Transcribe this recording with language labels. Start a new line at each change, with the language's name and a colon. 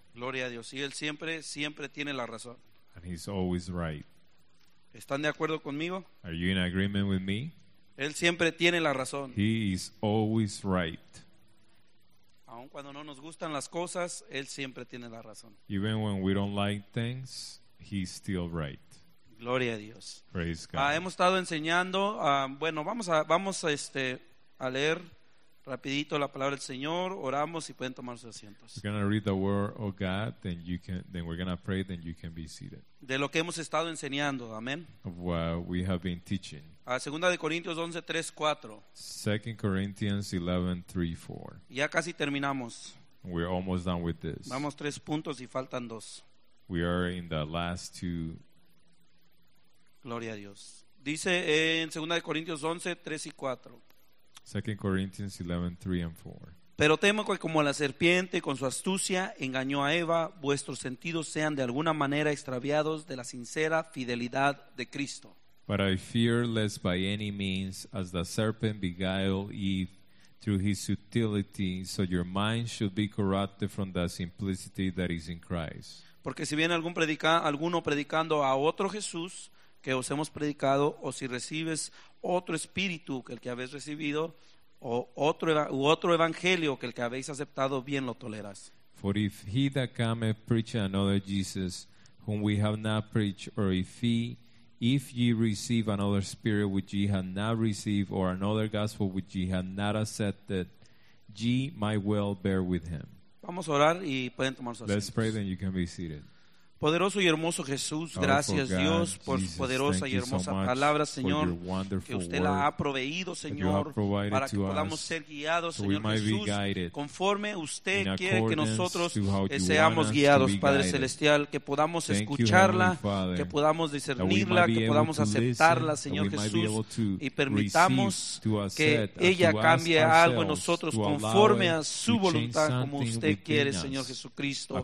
Spanish: Gloria a Dios. Y Él siempre, siempre tiene la razón.
English: And He's always right.
Spanish: ¿Están de acuerdo conmigo?
English: Are you in agreement with me?
Spanish: Él siempre tiene la razón.
English: He is always right.
Spanish: Aun cuando no nos gustan las cosas, Él siempre tiene la razón.
English: Even when we don't like things, He's still right.
Spanish: Gloria a Dios.
English: Praise God.
Spanish: Hemos estado enseñando, bueno, vamos a leer rapidito la palabra del Señor, oramos y pueden tomar sus asientos.
English: We're going to read the word of God, then we're going to pray, then you can be seated.
Spanish: De lo que hemos estado enseñando, amén.
English: Of what we have been teaching.
Spanish: A 2 Corintios 11:3-4.
English: 2 Corinthians 11:3-4.
Spanish: Ya casi terminamos.
English: We're almost done with this.
Spanish: Vamos 3 puntos y faltan 2.
English: We are in the last 2.
Spanish: Gloria a Dios. Dice en 2 Corintios 11:3-4.
English: 2 Corinthians 11:3-4.
Spanish: Pero temo que como la serpiente con su astucia engañó a Eva, vuestros sentidos sean de alguna manera extraviados de la sincera fidelidad de Cristo.
English: But I fear lest by any means, as the serpent beguiled Eve through his subtlety, so your mind should be corrupted from the simplicity that is in Christ.
Spanish: Porque si viene alguno predicando a otro Jesús que os hemos predicado, o si recibes otro espíritu que el que habéis recibido, o otro evangelio que el que habéis aceptado, bien lo toleras.
English: For if he that cometh preach another Jesus, whom we have not preached, or if ye receive another spirit which ye have not received, or another gospel which ye have not accepted, ye might well bear with him.
Spanish: Vamos a orar y pueden tomar sus asientos.
English: Let's pray, then you can be seated.
Spanish: Poderoso y hermoso Jesús, gracias Dios por su poderosa y hermosa palabra, Señor, que usted la ha proveído, Señor, para que podamos ser guiados, Señor Jesús, conforme usted quiere que nosotros seamos guiados, Padre Celestial, que podamos escucharla, que podamos discernirla, que podamos aceptarla, Señor Jesús, y permitamos que ella cambie algo en nosotros conforme a su voluntad, como usted quiere, Señor Jesucristo.